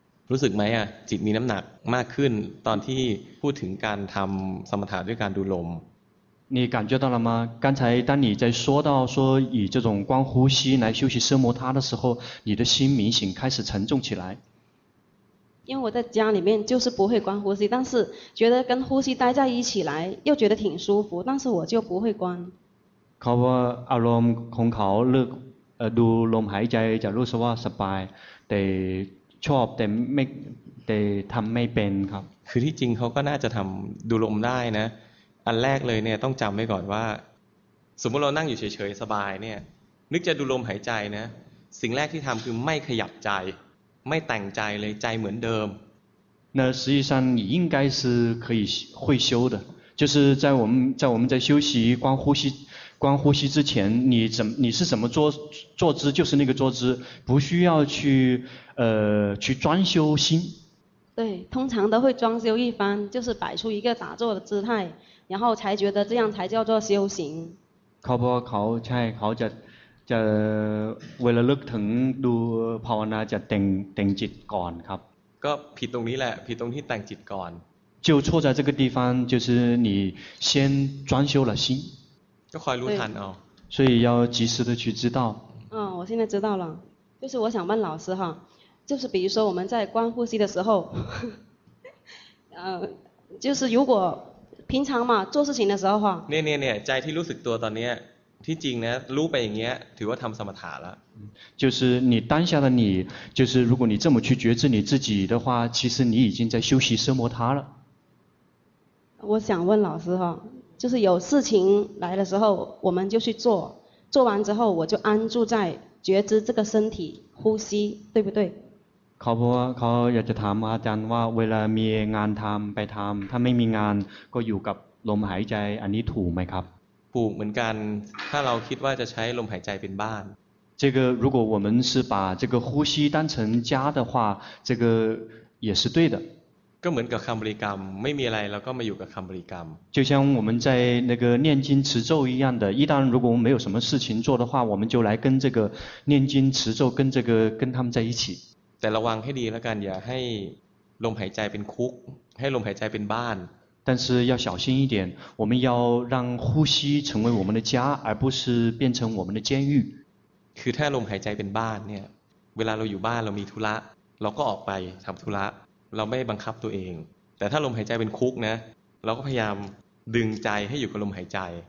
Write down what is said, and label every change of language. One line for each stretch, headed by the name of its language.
Thai: รู้สึกไหมอ่ะจิตมีน้ำหนักมากขึ้นตอนที่พูดถึงการทำสมถะด้วยการดูลม
Chinese: 你感觉到了吗刚才当你在说到说以这种光呼吸来休息奢摩他的时候你的心明显开始沉重起来因为我在家里面就是不会观呼吸但是觉得跟呼吸待在一起来又觉得挺舒服但是我就不会观
Thai: เขาว่าอารมณ์ของเขาเลือกดูลมหายใจจะรู้สึกว่าสบายแต่ชอบแต่ไม่แต่ทำไม่เป็นครับ คือที่จริงเขาก็น่าจะทำดูลมได้นะอันแรกเลยเนี่ยต้องจำไว้ก่อนว่าสมมติเรานั่งอยู่เฉยๆสบายเนี่ยนึกจะดูลมหายใจนะสิ่งแรกที่ทำคือไม่ขยับใจไม่แต่งใจเลยใจเหมือนเดิม
Chinese: 那实际上你应该是可以会修的就是在我们在修习观呼吸观呼吸之前，你是怎么坐姿，就是那个坐姿，不需要去装修心。对，通常都会装修一番，就是摆出一个打坐的姿态，然后才觉得这样才叫做修行。
Thai: เขาจะเวลาลึกถึงดูภาวนาจะแต่งจิตก่อนครับ ก็ผิดตรงนี้แหละผิดตรงที่แต่งจิตก่อน
Chinese: 就错在这个地方就是你先装修了心
Thai: ก็คอยรู้ทันเอา
Chinese: 所以要及时的去知道我现在知道了就是我想问老师哈就是比如说我们在观呼吸的时候就是如果平常嘛做事情的时候
Thai: เนี่ยใจที่รู้สึกตัวตอนนี้ที่จริงนะรู้ไปอย่างเงี้ยถือว่าทำสมถะแล้ว
Chinese: 就是你当下的你就是如果你这么去觉知你自己的话其实你已经在休息奢摩他了我想问老师哈就是有事情来的时候我们就去做做完之后我就安住在觉知这个身体呼吸对不对
Thai: เขาอยากจะถามอาจารย์ว่าเวลามีงานทำไปทำถ้าไม่มีงานก็อยู่กับลมหายใจอันนี้ถูกไหมครับ ถูกเหมือนกันถ้าเราคิดว่าจะใช้ลมหายใจเป็นบ้าน
Chinese: 这个如果我们是把这个呼吸当成家的话这个也是对的
Thai: ก็เหมือนกับคำบริกรรมไม่มีอะไรเราก็มาอยู่กับคำบริกรรม
Chinese: 就像我们在那个念经持咒一样的一旦如果我们没有什么事情做的话我们就来跟这个念经持咒跟他们在一起
Thai: แต่ระวังให้ดีแล้วกันอย่าให้ลมหายใจเป็นคุกให้ลมหายใจเป็นบ้าน
Chinese: 但是要小心一点我们要让呼吸成为我们的家而不是变成我们的监狱
Thai: คือถ้าลมหายใจเป็นบ้านเนี่ยเวลาเราอยู่บ้านเรามีธุระเราก็ออกไปทำธุระเราไม่บังคับตัวเองแต่ถ้าลมหายใจเป็นคุกนะเราก็พยายามดึงใจให้อยู่กับลมหายใจ